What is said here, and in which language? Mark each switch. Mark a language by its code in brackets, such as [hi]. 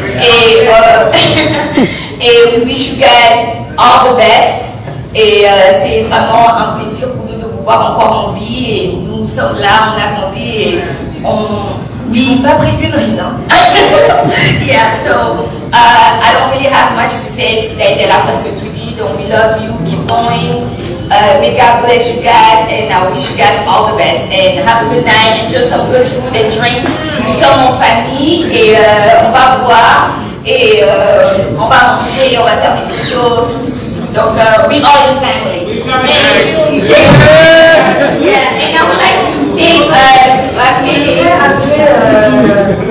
[en] Et we wish you guys all the best. [fr] Et c'est vraiment un plaisir pour nous de vous voir encore en vie. Et nous sommes là, on a grandi et on. Oui, pas pris une rine. [en] Yeah, so I don't really have much to say today. [fr] Elle a presque tout dit. [en] Donc we love you, keep going. May God bless you guys and I wish you guys all the best. And have a good night, enjoy some good food and drinks. [fr] Nous sommes en famille et on va boire. Et on va manger et on va faire des photos, tout. [en] Donc, we all in family. And, yeah, and I would like to thank,